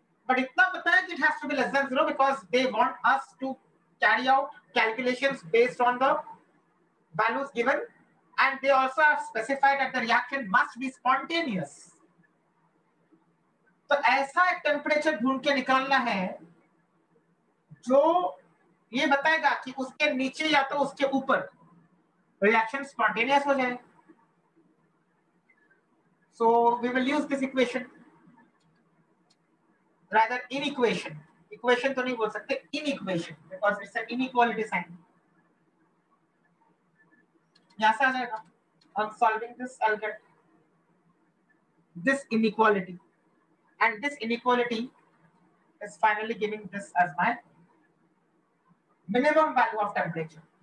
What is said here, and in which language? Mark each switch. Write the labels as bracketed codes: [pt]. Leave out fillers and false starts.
[en] but [hi] इतना पता है कि [en] It has to be less than zero, because they want us to carry out calculations based on the values given, and they also have specified that the reaction must be spontaneous. [hi] तो ऐसा एक temperature ढूंढ के निकालना है जो ये बताएगा कि उसके नीचे या तो उसके ऊपर reaction spontaneous हो जाए. [en] So we will use this equation, rather inequation. Equation [hi] तो नहीं बोल सकते, [en] inequation, because it's an inequality sign. [hi] यहां से आ जाएगा. [en] On solving this I will get this inequality, and this inequality is finally giving this as my minimum value of temperature.